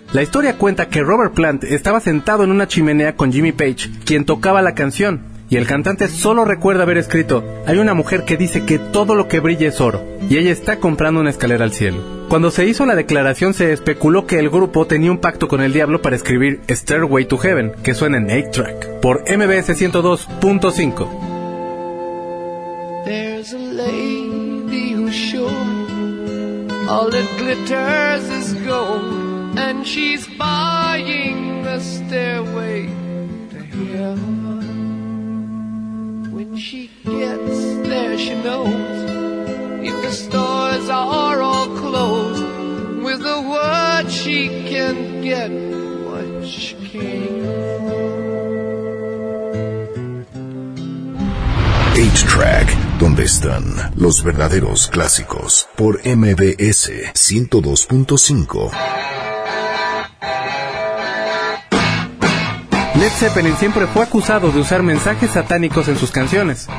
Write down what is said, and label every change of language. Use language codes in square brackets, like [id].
[es] La historia cuenta que Robert Plant estaba sentado en una chimenea con Jimmy Page, quien tocaba la canción, y el cantante solo recuerda haber escrito: "Hay una mujer que dice que todo lo que brilla es oro, y ella está comprando una escalera al cielo". Cuando se hizo la declaración, se especuló que el grupo tenía un pacto con el diablo para escribir Stairway to Heaven, que suena en 8-Track, por MBS 102.5. [en] There's a lady sure, all that glitters is gold, and she's buying the stairway to heaven. When she gets there, she knows if the stores are all closed, with the word she can get what she came for. [es] 8-Track, donde están los verdaderos clásicos, por MBS 102.5. Led Zeppelin siempre fue acusado de usar mensajes satánicos en sus canciones.